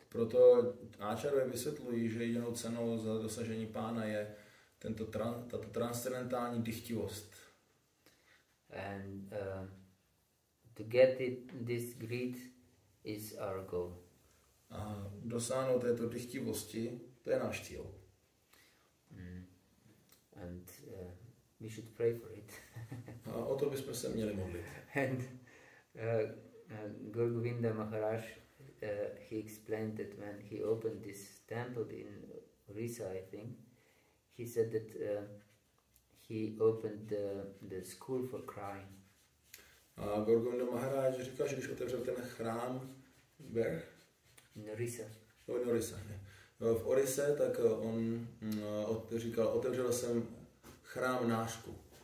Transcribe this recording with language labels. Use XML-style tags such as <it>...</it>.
<cs>Proto Acharya vysvětlují, že jedinou cenou za dosažení pána je tato transcendentální dychtivost.</cs> <en>And to get this greed is our goal.</en> <cs>A dosáhnout této dychtivosti, to je náš cíl.</cs> <en>And we should pray for it.</en> <cs>A o to bychom se měli modlit.</cs> <en>And Gurgovinda Maharaj, he explained that when he opened this temple in Orissa, I think, he said that he opened the school for crying.</en> <cs>A Gurgovinda Maharaj říká, že když otevřel ten chrám,</cs> <en>where? In Orissa. In Orissa,</en> <cs>ne. V Orise, tak on říkal, otevřel jsem chrám nášku.</cs>